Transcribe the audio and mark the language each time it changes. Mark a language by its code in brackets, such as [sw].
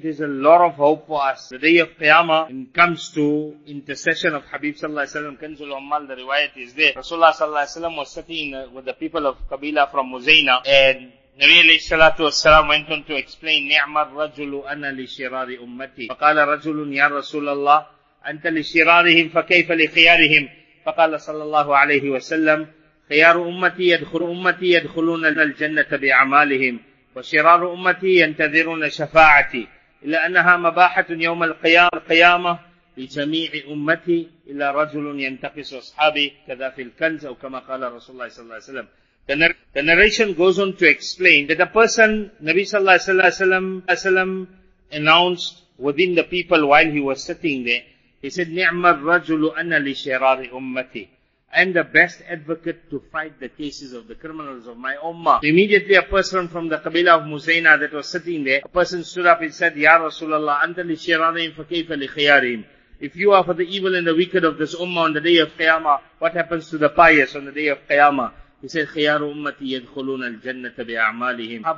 [en] There's a lot of hope for us. The day of Qiyamah, when it comes to intercession of Habib sallallahu alayhi wa sallam, Kanzul Ummal, the riwayat is there. Rasulullah sallallahu alayhi wa sallam was sitting with the people of Qabila from Muzayna, and Nabi alayhi salatu wa sallam went on to explain, [ar] ni'mar rajulu ana li shirari ummati. Faqala rajulun ya Rasulallah, أنت لشرارهم فكيف لخيارهم؟ فقال صلى الله عليه وسلم: خيار أمتي يدخل أمتي يدخلون الجنة بأعمالهم، وشرار أمتي ينتظرون شفاعتي، إلا أنها مباحة يوم القيامة لجميع أمتي إلا رجل ينتقص أصحابي كذا في الكنز، أو كما قال رسول الله صلى الله عليه وسلم. [en] The narration goes on to explain that a person, Nabi sallallahu alayhi wa sallam, announced within the people while he was sitting there, he said, [ar] نِعْمَ الرَّجُلُ أَنَّ لِشِرَارِ أُمَّتِي. [en] I'm the best advocate to fight the cases of the criminals of my ummah. Immediately a person from the qabila of Muzayna that was sitting there, a person stood up and said, [ar] يَا رَسُولَ اللَّهِ أَنْتَ لِشِرَارِهِمْ فَكَيْفَ لِخِيَارِهِمْ. [en] If you are for the evil and the wicked of this ummah on the day of Qiyamah, what happens to the pious on the day of Qiyamah? He said, [ar] خيار أمتي يدخلون الجنة بأعمالهم.